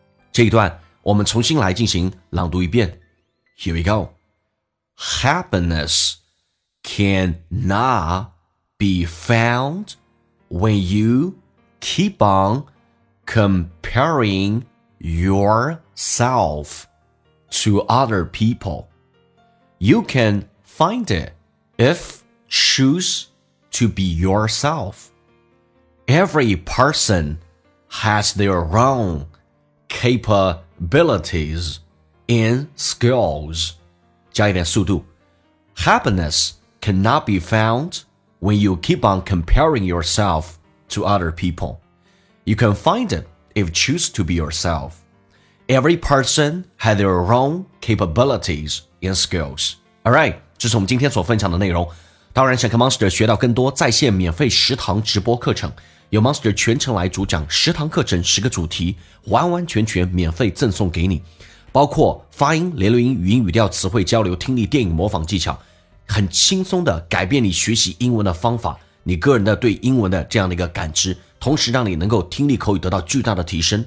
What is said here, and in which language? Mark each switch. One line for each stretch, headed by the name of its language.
Chinese: 这一段我们重新来进行朗读一遍。
English: Here we go. Happiness cannot be found when you keep on comparing yourself to other people. You can find it if choose to be yourself. Every personhas their own capabilities and skills.
Chinese: 加一点速度。
English: Happiness cannot be found when you keep on comparing yourself to other people. You can find it if you choose to be yourself. Every person has their own capabilities and skills.
Chinese: Alright, 这是我们今天所分享的内容。当然想跟 Monster 学到更多在线免费食堂直播课程，由 Monster 全程来主讲，十堂课程，十个主题，完完全全免费赠送给你，包括发音、连读音、语音、语调、词汇交流、听力、电影模仿技巧，很轻松的改变你学习英文的方法，你个人的对英文的这样的一个感知，同时让你能够听力口语得到巨大的提升。